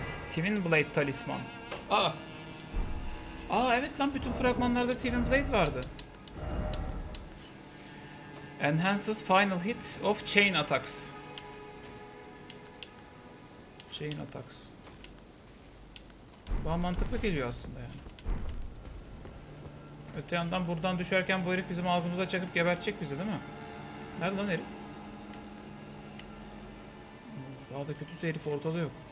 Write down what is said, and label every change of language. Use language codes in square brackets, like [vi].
[en] Twin Blade talisman. Aa. [tr] Aa evet lan, bütün fragmanlarda Twin Blade vardı. [en] Enhances final hit of chain attacks. Chain attacks. [tr] Bu mantıklı geliyor aslında yani. Öte yandan buradan düşerken bu herif bizim ağzımıza çakıp gebertecek bizi değil mi? Nerede lan herif? Daha da kötüsü, herif ortada yok.